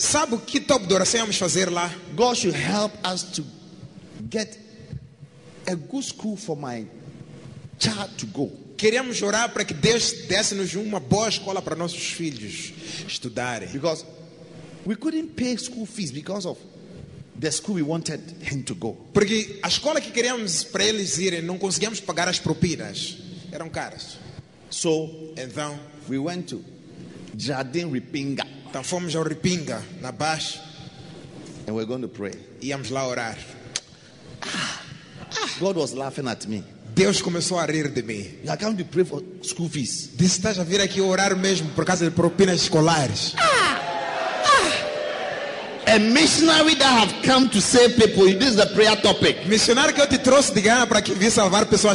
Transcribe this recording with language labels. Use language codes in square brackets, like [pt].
[pt] Sabe o que top de oração vamos fazer lá? [en] God should help us to get a good school for my child to go. [pt] Queremos orar para que Deus desse-nos uma boa escola para nossos filhos estudarem. [en] Because we couldn't pay school fees because of the school we wanted him to go. [pt] Porque a escola que queríamos para eles irem não conseguíamos pagar as propinas. Eram caras. [en] So, and then we went to Jardim Ripinga. [pt] Então fomos ao Ripinga, na Baixa. [en] And we're going to pray. [pt] Íamos lá orar. [en] God was laughing at me. [pt] Deus começou a rir de mim. [en] You are coming to pray for school fees. [pt] Disse, estás a vir aqui orar mesmo por causa de propinas escolares. [en] A missionary that have come to save people. This is the prayer topic. [pt] Missionário que eu te trouxe de Gana para que vim salvar pessoas.